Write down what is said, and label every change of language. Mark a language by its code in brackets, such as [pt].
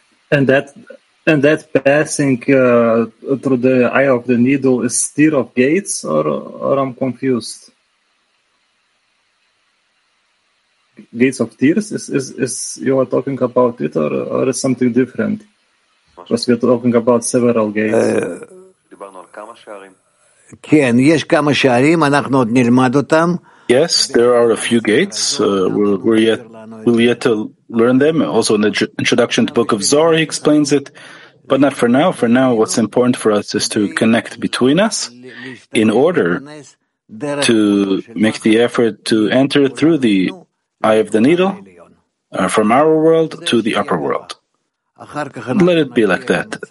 [en] And that passing through the eye of the needle is still of gates, or I'm confused? Gates of tears? Is you are talking about it, or is something different? Because we're talking about several gates. [he] כן, יש כמה שערים, אנחנו עוד נלמד אותם. [en] Yes, there are a few gates. We'll yet to learn them. Also, in the introduction to the Book of Zohar, he explains it. But not for now. For now, what's important for us is to connect between us in order to make the effort to enter through the eye of the needle from our world to the upper world. Let it be like that.